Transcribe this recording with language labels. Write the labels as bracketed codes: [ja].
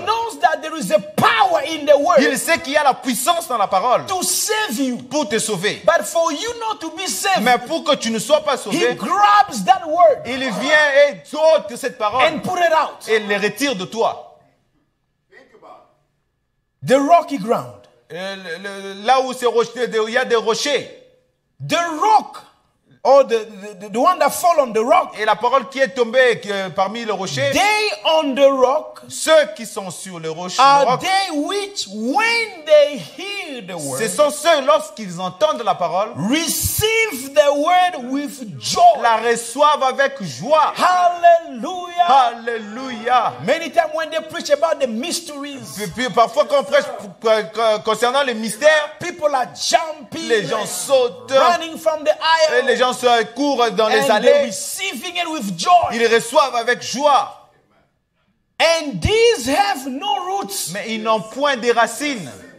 [en] He knows that there is a power in the word. [fr] Il sait qu'il y a la puissance dans la parole. [en] To save you. [fr] Pour te sauver. [en] But for you not to be saved. [fr] Mais pour que tu ne sois pas sauvé. [en] He grabs that word. [fr] Il vient et saute cette parole. [en] And put it out. [fr] Et le retire de toi. [en] The rocky ground. [fr] Là où c'est rocheté, il y a des rochers. [en] The rock, or the one that fall on the rock. [fr] Et la parole qui est tombée parmi les rochers. [en] They on the rock. [fr] Ceux qui sont sur les rochers. [en] Are [fr] le rock, [en] they which when they hear the word. [fr] Ce sont ceux lorsqu'ils entendent la parole. [en] Receive the word with joy. [fr] La reçoivent avec joie. [en] Hallelujah. [fr] Hallelujah. [en] Many times when they preach about the mysteries. [fr] Puis parfois quand on prêche concernant les mystères. [en] People are jumping. [fr] Les gens sautent. [en] Running from the aisle. [fr] Les gens se courent dans [en] and [fr] les allées. [en] Receiving it with joy. [fr] Ils reçoivent avec joie. [en] And these have no roots. [fr] Mais ils n'ont point de racines.